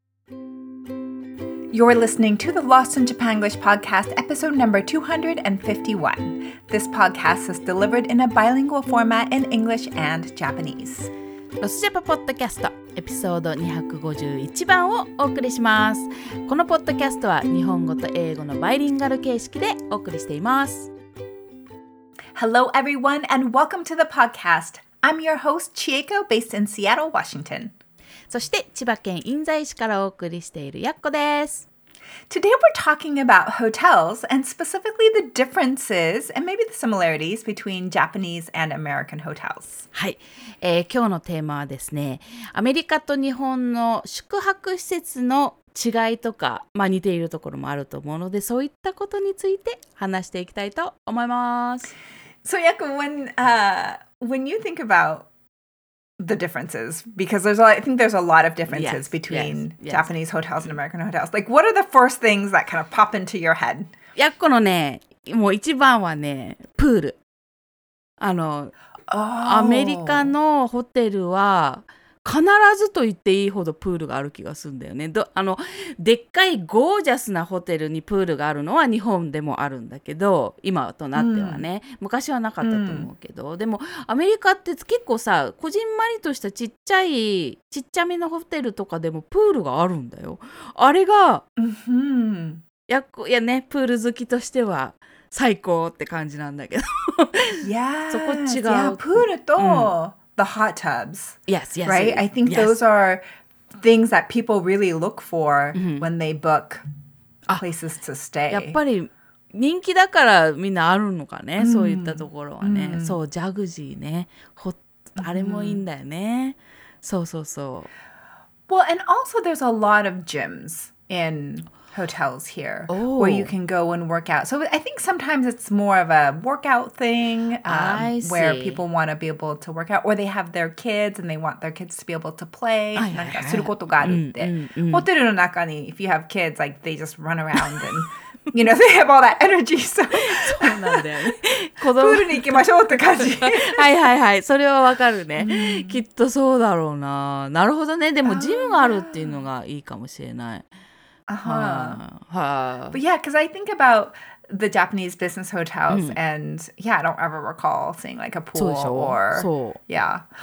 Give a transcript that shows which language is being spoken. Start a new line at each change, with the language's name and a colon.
English: You're listening to the Lost in Japanglish podcast, episode number 251. This podcast is delivered in a bilingual format in English and Japanese.
Japanese: ロスジャパポッドキャストエピソード251番をお送りします。このポッドキャストは日本語と英語のバイリンガル形式でお送りしています。
English: Hello everyone and welcome to the podcast. I'm your host Chieko based in Seattle, Washington.
Japanese: そして千葉県印西市からお送りしているやっこです。
English: Today we're talking about hotels and specifically the differences and maybe the similarities between Japanese and American hotels.
Japanese: はい、今日のテーマはですね、アメリカと日本の宿泊施設の違いとか、まあ似ているところもあると思うので、そういったことについて話していきたいと思います。
English: So, Yakko, when you think aboutThe differences, because there's a lot of differences between Japanese hotels and American hotels. Like, what are the first things that kind of pop into your head?
Japanese: やっこのね、もう一番はね、プール。アメリカのホテルは必ずと言っていいほどプールがある気がするんだよね。でっかいゴージャスなホテルにプールがあるのは日本でもあるんだけど、今となってはね、うん、昔はなかったと思うけど、うん、でもアメリカって結構さ、こじんまりとしたちっちゃめのホテルとかでもプールがあるんだよ。あれが、うん、いやね、プール好きとしては最高って感じなんだけど。
English: yes.
Japanese: そこ違う。プールと、うん、
English: The hot tubs. Yes, yes. Right? I think those are things that people really look for when they book places to stay.
Japanese: やっぱり人気だからみんなあるのかね、そういったところはね。そう、ジャグジーね。あれもいいんだよね。そうそうそう。
English: Well, and also there's a lot of gyms in hotels here where you can go and work out. So I think sometimes it's more of a workout thing where people want to be able to work out or they have their kids and they want their kids to be able to play.
Japanese: なんかすることがあるって。ホテルの中に
English: if you have kids, like they just run around and, you know, they have all that energy.
Japanese: そうなんだよね。プールに行きましょうって感じ。はいはいはい。それはわかるね。きっとそうだろうな。なるほどね。でもジムがあるっていうのがいいかもしれない。
English: But yeah, because I think about the Japanese business hotels and yeah, I don't ever recall seeing like a pool or yeah.